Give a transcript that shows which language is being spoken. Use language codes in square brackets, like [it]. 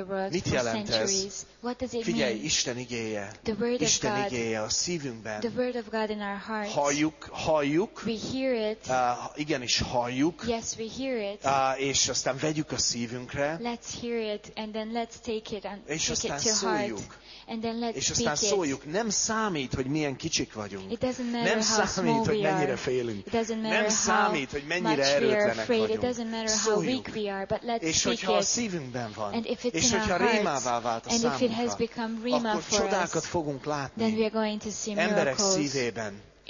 [hu] Mit jelent ez? Figyelj, Isten igéje. Isten igéje a szívünkben. Halljuk. Igenis, halljuk. És aztán vegyük a szívünkre. [en] Let's hear it, and then let's take it on. [hu] És aztán szóljuk. És aztán szóljuk. Nem számít, hogy milyen kicsik vagyunk. Nem számít, hogy mennyire félünk. Nem számít, hogy mennyire erőtlenek vagyunk. Szóljuk. És hogyha a szívünkben van, és hogyha rémává vált a számunkra, akkor csodákat fogunk látni emberek szívében.